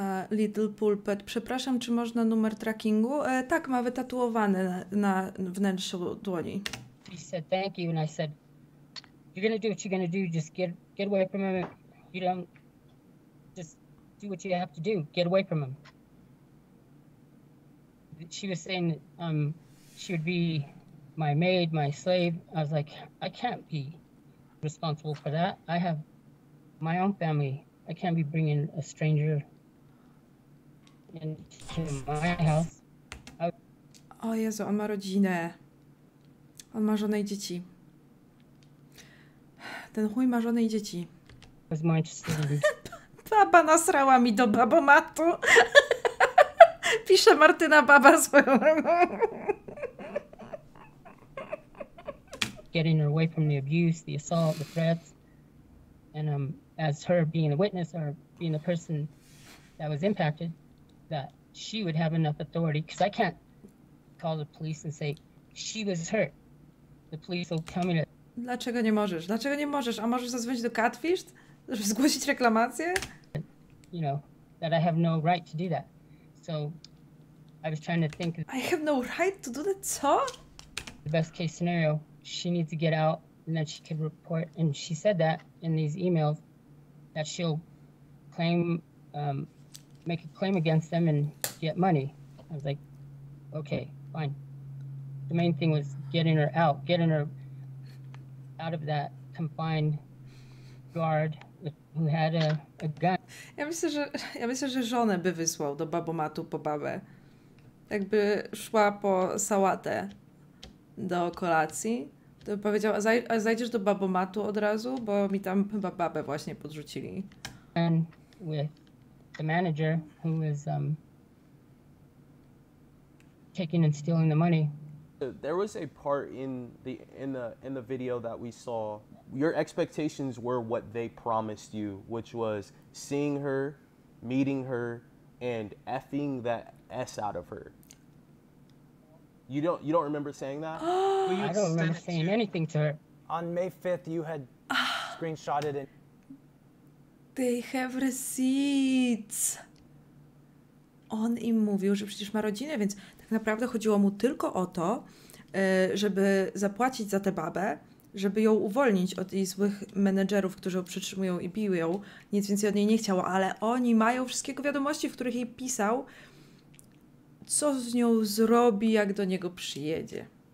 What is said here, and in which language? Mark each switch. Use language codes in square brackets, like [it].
[pl] Little Pulpet, przepraszam, czy można numer trackingu? Tak, ma wytatuowany na wnętrzu dłoni. [en] She said, thank you, and I said, you're gonna do what you're gonna do, just get away from him. You don't... Just do what you have to do, get away from him. She was saying she would be my maid, my slave. I was like, I can't be responsible for that. I have my own family. I can't be bringing a stranger into my house. [pl] O Jezu, on ma rodzinę. On ma żonę i dzieci. Ten chuj ma żonę i dzieci. [en] Was more interested in... [pl] Baba nasrała mi do babomatu. Pisze Martyna Baba swoją. [en] Getting her away from the abuse, the assault, the threats, and as her being a witness or being the person that was impacted, that she would have enough authority, because I can't call the police and say she was hurt. The police will tell me that. [pl] Dlaczego nie możesz? Dlaczego nie możesz? A możesz zadzwonić do Catfished, żeby zgłosić reklamację? [en] You know that I have no right to do that. So I was trying to think. I have no right to do that. [pl] Co? [en] The best case scenario. She needs to get out, and then she could report. And she said that in these emails, that she'll claim, make a claim against them and get money. I was like, okay, fine. The main thing was getting her out of that confined guard who had a gun. [pl] Ja myślę, że żonę by wysłał do babomatu po babę, jakby szła po sałatę do kolacji. To by powiedział, a zajdziesz do babomatu od razu, bo mi tam chyba babę właśnie podrzucili. [en] And with the manager who was taking and stealing the money. There was a part in the video that we saw. Your expectations were what they promised you, which was seeing her, meeting her, and effing that S out of her. You don't remember saying that? I don't remember saying anything to her. On May 5th, you had screenshotted it. They have receipts. [pl] On im mówił, że przecież ma rodzinę, więc tak naprawdę chodziło mu tylko o to, żeby zapłacić za tę babę, żeby ją uwolnić od jej złych menedżerów, którzy ją przytrzymują i biją. Nic więcej od niej nie chciało, ale oni mają wszystkie wiadomości, w których jej pisał, co z nią zrobi, jak do niego przyjedzie.